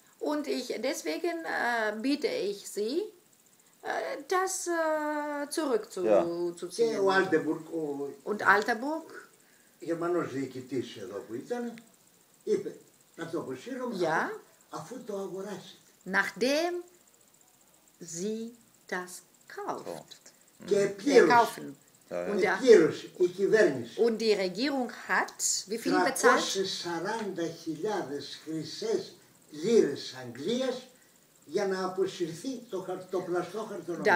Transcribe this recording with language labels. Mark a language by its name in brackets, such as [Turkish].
[German] Und ich deswegen biete ich Sie, das zurückzuziehen. [Greek] Και ο Altenburg, [German] und Altenburg, [Greek] Γερμανός διοικητής εδώ που ήταν, είπε, να το αποσύρουμε, αφού το αγοράσετε. [German] Nachdem Sie das kauft. [Greek] Και πλήρως, [German] Und, ja. Und die Regierung hat, wie viel bezahlt? [Greek] 340.000 χρυσές λίρες Αγγλίας για να αποσυρθεί το πλαστό χαρτονόμιο.